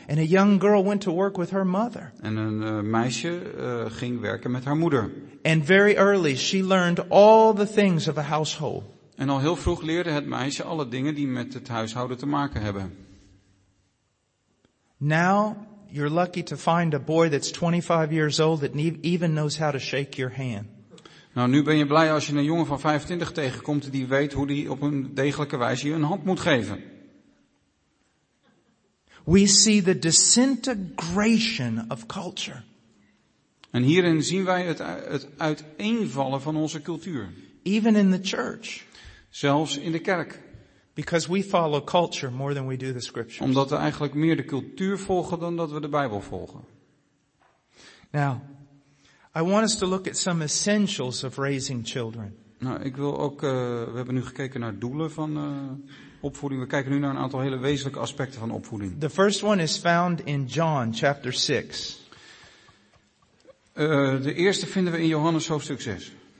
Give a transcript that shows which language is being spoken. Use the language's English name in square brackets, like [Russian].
[English] And a young girl went to work with her mother. [Dutch] En een meisje ging werken met haar moeder. [English] And very early she learned all the things of a household. [Dutch] En al heel vroeg leerde het meisje alle dingen die met het huishouden te maken hebben. [English] Now you're lucky to find a boy that's 25 years old that even knows how to shake your hand. [Dutch] Nou, nu ben je blij als je een jongen van 25 tegenkomt die weet hoe die op een degelijke wijze je een hand moet geven. [English] We see the disintegration of culture. [Dutch] En hierin zien wij het uiteenvallen van onze cultuur. [English] Even in the church. [Dutch] Zelfs in de kerk. [English] Because we follow culture more than we do the scriptures. [Dutch] Omdat we eigenlijk meer de cultuur volgen dan dat we de Bijbel volgen. [English] Now, I want us to look at some essentials of raising children. [Dutch] Nou, ik wil ook, we hebben nu gekeken naar doelen van opvoeding. We kijken nu naar een aantal hele wezenlijke aspecten van opvoeding. [English] The first one is found in John chapter 6. [Dutch] De eerste vinden we in Johannes hoofdstuk 6.